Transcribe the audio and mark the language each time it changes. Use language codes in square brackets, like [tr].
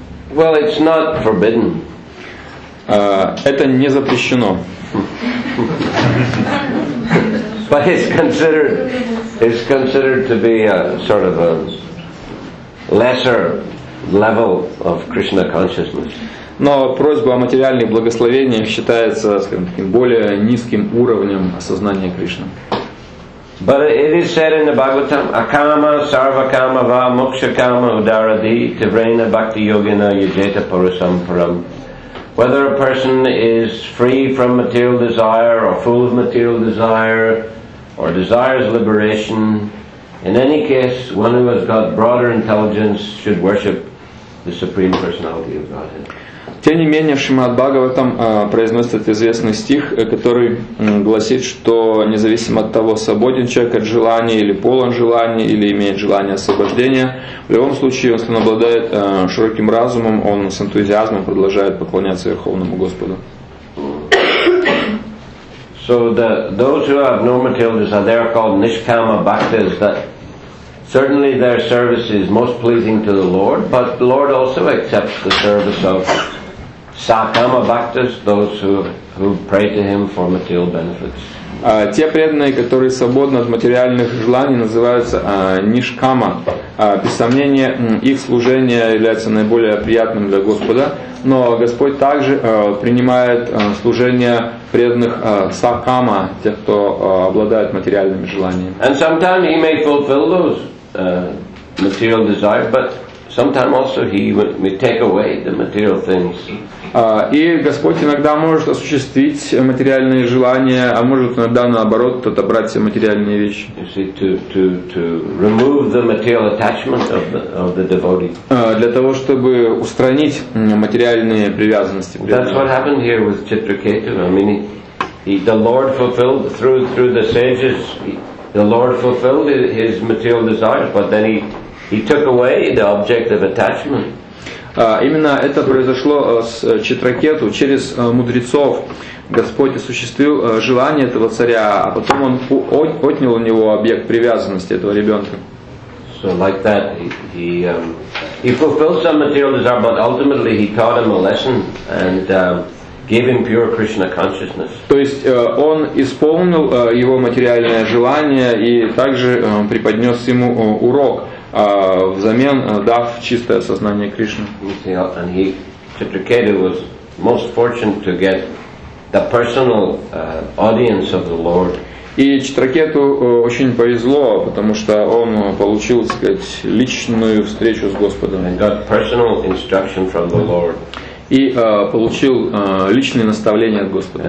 [en] Well, it's not forbidden. [ru] Это не запрещено. [en] But it's considered to be a sort of a lesser level of Krishna consciousness. [ru] Но просьба о материальных благословениях считается, скажем, таким более низким уровнем осознания Кришны. [en] But it is said in the Bhagavatam, [sa] akama sarva kama va moksha kama udaradi tivrena bhakti yogina yajeta purusam param. [en] Whether a person is free from material desire or full of material desire or desires liberation, in any case, one who has got broader intelligence should worship the Supreme Personality of Godhead. [ru] Тем не менее, Шримад Бхагаватам произносит известный стих, который гласит, что независимо от того, свободен человек от желания или полон желания, или имеет желание освобождения, в любом случае, если он обладает широким разумом, он с энтузиазмом продолжает поклоняться Верховному Господу. [en] So those who have no material desire, they are called Nishkama Bhaktas, that certainly their service is most pleasing to the Lord, but the Lord also accepts the service of Sakama Bhaktas, those who pray to him for material benefits. [ru] Те преданные, которые свободны от материальных желаний, называются нишкама. Без сомнения, их служение является наиболее приятным для Господа, но Господь также принимает служение преданных сакама, тех, кто обладает материальными желаниями. [en] And sometimes he may fulfill those material desires, but sometimes also he may take away the material things. [ru] И Господь иногда может осуществить материальные желания, а может иногда наоборот отобрать все материальные вещи. [en] You see, to remove the material attachment of the devotee. [ru] Для того, чтобы устранить материальные привязанности. [en] That's what happened here with Chitraketu. I mean, the Lord fulfilled through the sages. The Lord fulfilled his material desires, but then he took away the object of attachment. [ru] Именно это произошло с Читракету. Через мудрецов Господь осуществил желание этого царя, а потом он отнял у него объект привязанности этого ребенка. [en] So like that, he fulfilled some material desire, but ultimately he taught him a lesson and gave him pure Krishna consciousness. [ru] То есть он исполнил его материальное желание и также преподнес ему урок. Взамен дав чистое сознание Кришне. [en] And he, Chitraketu, was most fortunate to get the personal audience of the Lord. [ru] И Читракету очень повезло, потому что он получил, так сказать, личную встречу с Господом. [en] And got personal instruction from the Lord. [ru] И получил личные наставления от Господа.